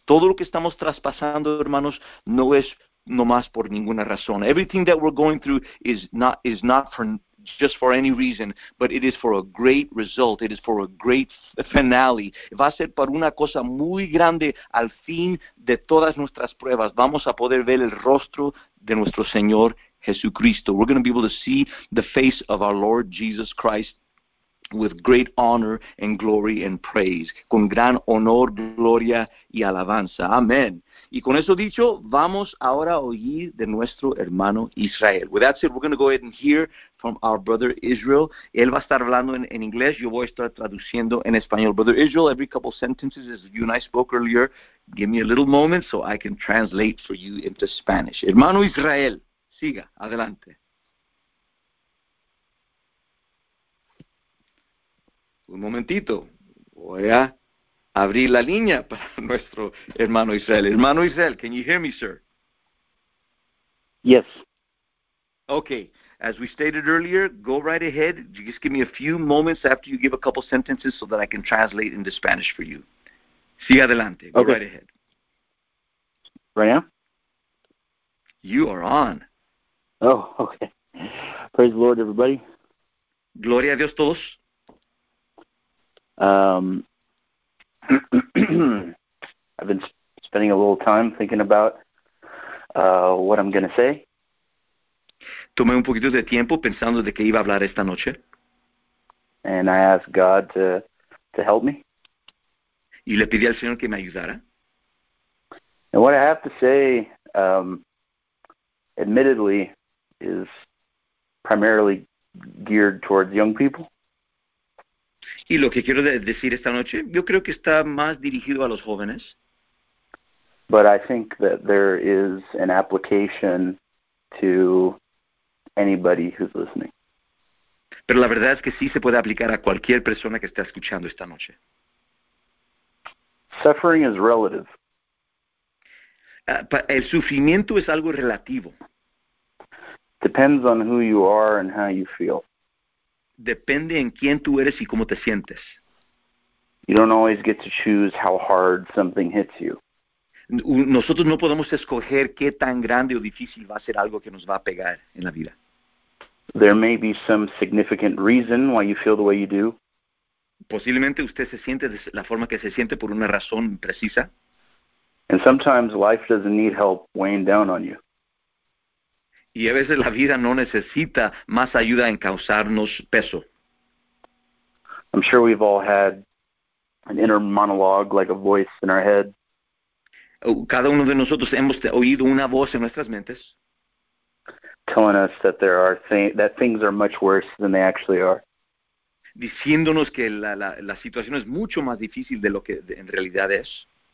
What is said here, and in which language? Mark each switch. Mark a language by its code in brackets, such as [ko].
[es] Todo lo que estamos traspasando, hermanos, no es nomás por ninguna razón. [en] Everything that we're going through is not for just for any reason, but it is for a great result. It is for a great finale. [es] Va a ser para una cosa muy grande al fin de todas nuestras pruebas. Vamos a poder ver el rostro de nuestro Señor Jesucristo. [en] We're going to be able to see the face of our Lord Jesus Christ with great honor and glory and praise. [es] Con gran honor, gloria y alabanza. Amen. Y con eso dicho, vamos ahora a oír de nuestro hermano Israel. [en] With that said, we're going to go ahead and hear from our brother Israel. [es] Él va a estar hablando en inglés. Yo voy a estar traduciendo en español. [en] Brother Israel, every couple sentences, as you and I spoke earlier, give me a little moment so I can translate for you into Spanish. [es] Hermano Israel. Siga, adelante. Un momentito, voy a abrir la línea para nuestro hermano Israel. Hermano Israel, [en] can you hear me, sir? Yes. Okay, as we stated earlier, go right ahead. Just give me a few moments after you give a couple sentences so that I can translate into Spanish for you. [es] Sí, adelante. [en] Go right ahead. Right now? You are on. Oh, okay. Praise the Lord, everybody. [es] Gloria a Dios todos. [en] I've been spending a little time thinking about what I'm going to say. [es] Tomé un poquito de tiempo pensando de qué iba a hablar esta noche. [en] And I asked God to help me. [es] Y le pedí al Señor que me ayudara. [en] And what I have to say, admittedly, is primarily geared towards young people. [es] Y lo que quiero decir esta noche, yo creo que está más dirigido a los jóvenes. [en] But I think that there is an application to anybody who's listening. [es] Pero la verdad es que sí se puede aplicar a cualquier persona que esté escuchando esta noche. [en] Suffering is relative. [es] El sufrimiento es algo relativo. [en] Depends on who you are and how you feel. [es] Depende en quién tú eres y cómo te sientes. [en] You don't always get to choose how hard something hits you. [es] Nosotros no podemos escoger qué tan grande o difícil va a ser algo que nos va a pegar en la vida. [en] There may be some significant reason why you feel the way you do. [es] Posiblemente usted se siente de la forma que se siente por una razón precisa. [en] And sometimes life doesn't need help weighing down on you. [es] Y a veces la vida no necesita más ayuda en causarnos peso. [en] I'm sure we've all had an inner monologue, like a voice in our head. [es] Cada uno de nosotros hemos oído una voz en nuestras mentes. [en] Telling us that there are that things are much worse than they actually are. [es] Diciéndonos que la situación es mucho más difícil de lo que en realidad es.